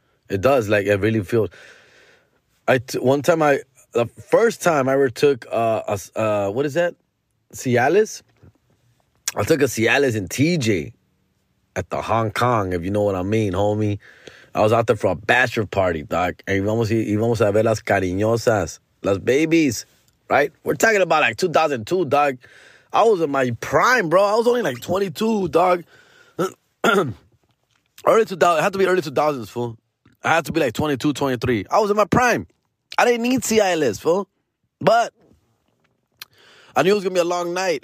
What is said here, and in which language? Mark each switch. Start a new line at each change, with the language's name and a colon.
English: It does, like it really feels. The first time I ever took what is that? Cialis? I took a Cialis in TJ. At the Hong Kong, if you know what I mean, homie. I was out there for a bachelor party, dog.
Spanish: And íbamos a ver las cariñosas, las babies,
English: right? We're talking about like 2002, dog. I was in my prime, bro. I was only like 22, dog. Early 2000s, fool. I had to be like 22, 23. I was in my prime. I didn't need Cialis, fool. But I knew it was going to be a long night.